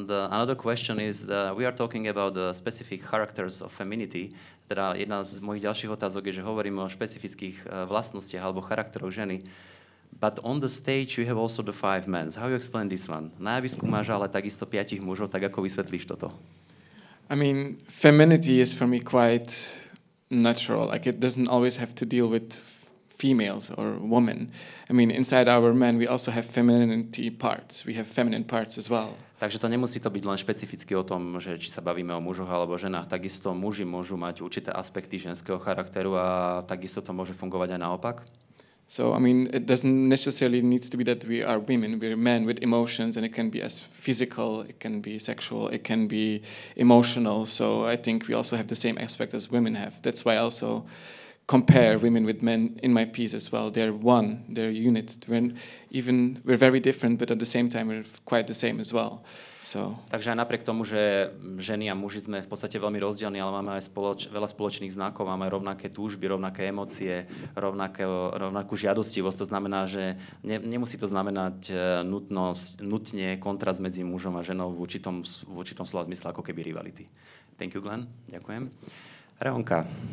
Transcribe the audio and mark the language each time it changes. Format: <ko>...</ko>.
<en>Another question is that we are talking about the specific characters of femininity.</en> <sk>Teda jedna z mojich ďalších otázok je, že hovoríme o špecifických vlastnostiach alebo charakteroch ženy.</sk> <en>But on the stage you have also the five men. How you explain this one?</en> <sk>Na javisku máš ale takisto piatich mužov, tak ako vysvetlíš toto?</sk> <en>I mean, femininity is for me quite natural. Like, it doesn't always have to deal with females or women. I mean, inside our men we also have femininity parts. We have feminine parts as well.</en> <sk>Takže to nemusí to byť len špecificky o tom, že či sa bavíme o mužoch alebo ženách. Takisto muži môžu mať určité aspekty ženského charakteru, a takisto to môže fungovať aj naopak.</sk> <en>So I mean, it doesn't necessarily need to be that we are women, we're men with emotions, and it can be as physical, it can be sexual, it can be emotional. So I think we also have the same aspect as women have. That's why I also compare women with men in my piece as well. They're one, they're a unit. We're very different, but at the same time we're quite the same as well. So.</en> <sk>Takže aj napriek tomu, že ženy a muži sme v podstate veľmi rozdielni, ale máme aj veľa spoločných znakov, máme rovnaké túžby, rovnaké emócie, rovnakú žiadostivosť. To znamená, že nemusí to znamenať nutne kontrast medzi mužom a ženou v určitom slova zmysle ako keby rivality.</sk> <en>Thank you,</en> <sk>Glenn. Ďakujem. Reonka.</sk>